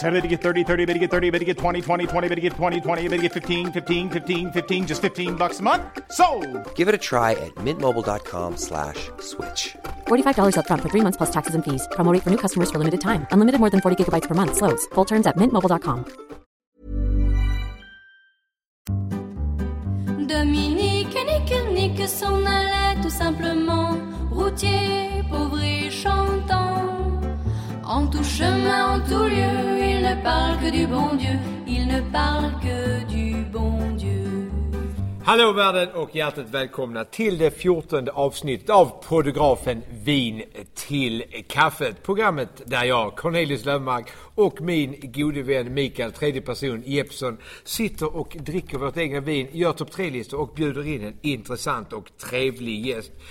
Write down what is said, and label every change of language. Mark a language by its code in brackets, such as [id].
[en] How to get 30, 30, how to get 30, how to get 20, 20, 20, how to get 20, 20, how to get 15, 15, 15, 15, just $15 a month? Sold! Give it a try at mintmobile.com/switch. $45 up front for 3 months plus taxes and fees. Promo rate for new customers for limited time. Unlimited more than 40 gigabytes per month. Slows full terms at mintmobile.com. [fr] Dominique, nickel, nickel, s'en allait tout simplement. Routier, pauvre et chantant. En tout chemin, en tout lieu, il ne parle que du bon Dieu. Il ne parle que du bon Dieu. [sv] Hallå världen och hjärtligt välkomna till det 14:e avsnittet av podografen Vin till kaffet. Programmet där jag, Cornelius Lövmark, och min gode vän Mikael, tredje person Jeppsson, sitter och dricker vårt egna vin, gör topp tre listor och bjuder in en intressant och trevlig gäst.